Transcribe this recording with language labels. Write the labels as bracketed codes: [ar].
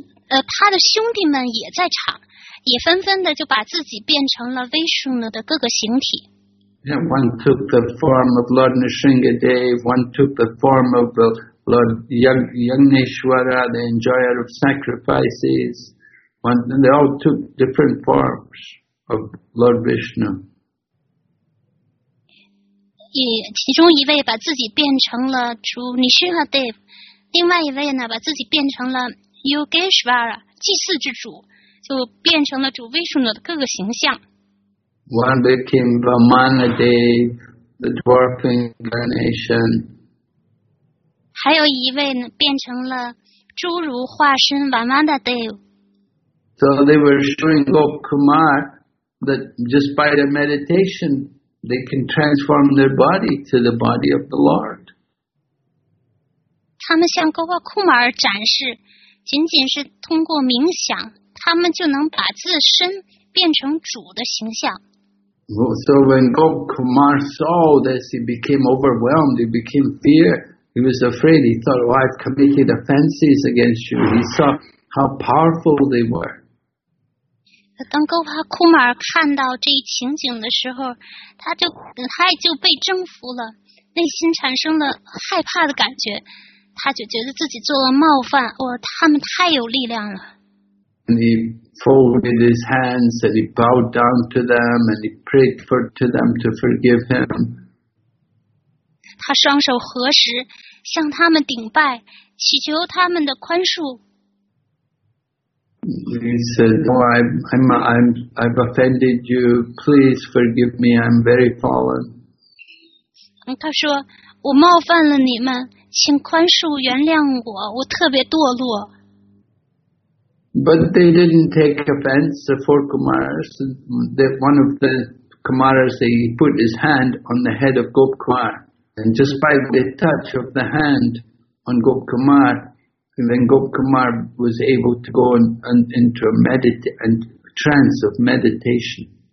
[zh] 他的兄弟们也在场，也纷纷的就把自己变成了 Vishnu 的各个形体。 [en] Yeah, one took the form of Lord Nrisingadev, one took the form of Lord Yagneshwara, the enjoyer of sacrifices. They all took different forms of Lord Vishnu. [zh] 其中一位把自己变成了主 Nrisingadev, 另外一位呢把自己变成了 Yogeshwara, 祭祀之主。就变成了主 Vishnu 的各个形象。 [en] One became Vamana Dev, the dwarf incarnation. [zh] 还有一位呢，变成了侏儒化身 Vamana Dev. [en] So they were showing Gop Kumar that just by their meditation, they can transform their body to the body of the Lord. [zh] 他们向 Gop Kumar 展示，仅仅是通过冥想。他们就能把自身变成主的形象。 [en] So when Gop Kumar saw this, he became overwhelmed. He became fear. He was afraid. He thought, "Oh, I've committed offenses against you." He saw how powerful they were. [zh] 当 Gop Kumar 看到这一情景的时候，他就被征服了，内心产生了害怕的感觉。他就觉得自己做了冒犯，哇，他们太有力量了。 [en] And he folded his hands and he bowed down to them and he prayed for to them to forgive him. [zh] 他双手合十，向他们顶拜，祈求他们的宽恕。 [en] He said, "Oh, I've offended you. Please forgive me. I'm very fallen." [zh] 他说，我冒犯了你们，请宽恕原谅我，我特别堕落。 [en] But they didn't take offense, the four Kumaras. One of the Kumaras, he put his hand on the head of Gop Kumar. And just by the touch of the hand on Gop Kumar, then Gop Kumar was able to go into a trance of meditation.